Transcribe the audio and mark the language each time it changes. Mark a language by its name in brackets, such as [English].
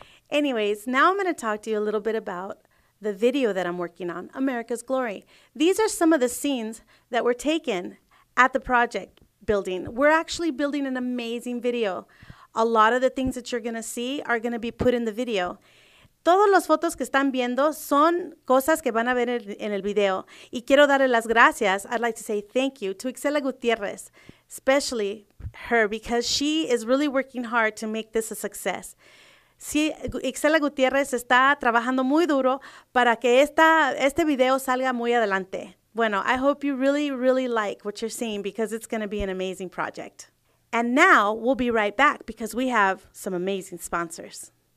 [English] Anyways, now I'm going to talk to you a little bit about the video that I'm working on, America's Glory. These are some of the scenes that were taken at the project building. We're actually building an amazing video. A lot of the things that you're going to see are going to be put in the video. [Spanish] Todas las fotos que están viendo son cosas que van a ver en el video. Y quiero darle las gracias. [English] I'd like to say thank you to Ixella Gutierrez, especially her, because she is really working hard to make this a success. [Spanish] Sí, Ixella Gutierrez está trabajando muy duro para que este video salga muy adelante. [English] Bueno, I hope you really, really like what you're seeing because it's going to be an amazing project. And now we'll be right back because we have some amazing sponsors.